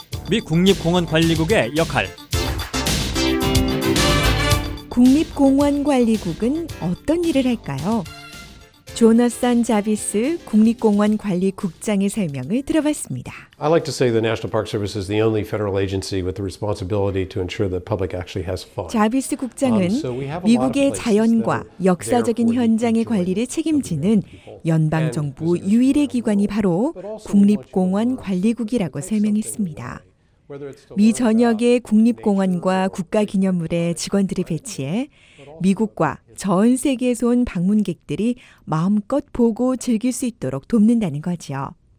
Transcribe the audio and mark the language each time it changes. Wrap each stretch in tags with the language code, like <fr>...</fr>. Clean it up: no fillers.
<ko>미 국립공원관리국의 역할. 국립공원관리국은 어떤 일을 할까요? 조너선 자비스 국립공원관리국장의 설명을 들어봤습니다.</ko> <en>I like to say the National Park Service is the only federal agency with the responsibility to ensure the public actually has fun.</en> <ko>자비스 국장은 미국의 자연과 역사적인 현장의 관리를 책임지는 연방 정부 유일의 기관이 바로 국립공원관리국이라고 설명했습니다. 미 전역의 국립공원과 국가기념물의 직원들을 배치해 미국과 전 세계에서 온 방문객들이 마음껏 보고 즐길 수 있도록 돕는다는 거죠.</ko>